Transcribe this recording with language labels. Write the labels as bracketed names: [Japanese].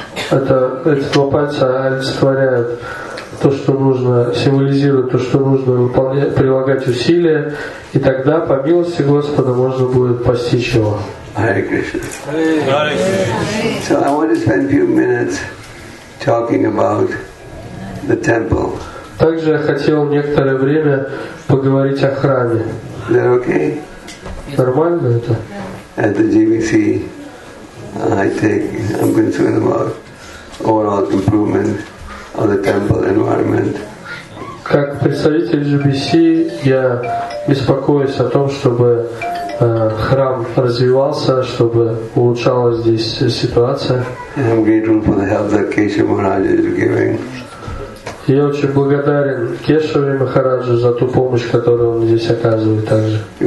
[Russian] Эти два пальца олицетворяют то, что нужно, символизируют то, что нужно выполнять, прилагать усилия, и тогда, по милости Господа, можно будет постичь его. [English] Hare Krishna. Hare Krishna. So I want to spend a few minutes talking about the temple. [Russian] Также я хотел некоторое время поговорить о храме. [English] Is that okay? [Russian] Нормально это? [English] At the GBC, I'm concerned about overall improvement of the temple environment. [Russian] Как представитель GBC, я беспокоюсь о том, чтобы храм развивался, чтобы улучшалась здесь ситуация. [English] I'm grateful for the help that Keshav Maharaj is giving. [Russian] Я очень благодарен Кешаве Махараджу за ту помощь, которую он здесь оказывает также.